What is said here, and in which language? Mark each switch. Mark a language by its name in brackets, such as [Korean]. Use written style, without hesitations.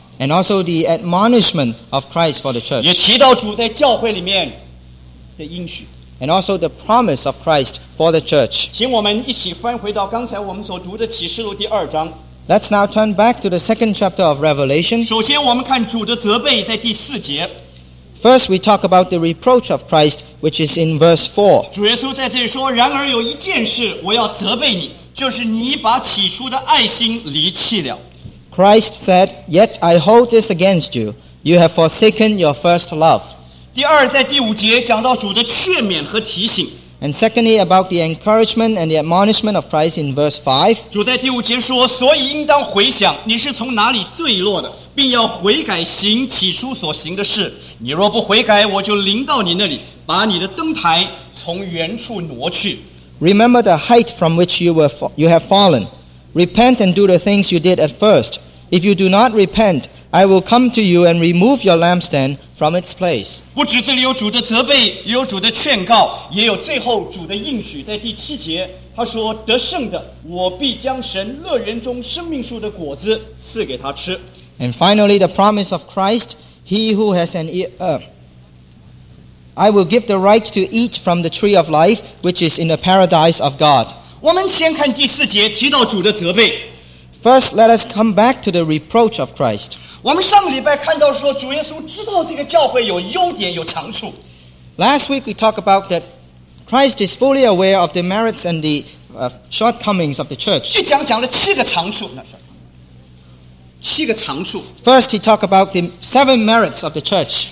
[English] And also the admonishment of Christ for the church. [Chinese] 也提到主在教会里面的应许。 [English] And also the promise of Christ for the church. [Chinese] 请我们一起翻回到刚才我们所读的启示录第二章。 [English] Let's now turn back to the second chapter of Revelation. [Chinese] 首先我们看主的责备在第四节。 [English] First we talk about the reproach of Christ, which is in verse 4. [Chinese] 主耶稣在这里说，然而有一件事我要责备你，就是你把起初的爱心离弃了。 [English] Christ said, Yet I hold this against you. You have forsaken your first love. [Chinese] 第二，在第五节讲到主的劝勉和提醒。 [English] And secondly, about the encouragement and the admonishment of Christ in verse 5. [Chinese] 主在第五节说，所以应当回想你是从哪里坠落的，并要悔改行起初所行的事。你若不悔改，我就临到你那里，把你的灯台从原处挪去。 [English] Remember the height from which you have fallen. Repent and do the things you did at first. If you do not repent, I will come to you and remove your lampstand from its place. [Chinese] 不止这里有主的责备，也有主的劝告，也有最后主的应许，在第七节，他说：“得胜的，我必将神乐园中生命树的果子赐给他吃。” [English] And finally, the promise of Christ, he who has an ear. I will give the right to eat from the tree of life, which is in the paradise of God. [Chinese] 我们先看第四节提到主的责备。 [English] First, let us come back to the reproach of Christ. [Chinese] 我们上个礼拜看到说主耶稣知道这个教会有优点有长处。 [English] Last week, we talked about that Christ is fully aware of the merits and the shortcomings of the church. [Chinese] 一讲讲了七个长处。七个长处。 [English] First, he talked about the seven merits of the church.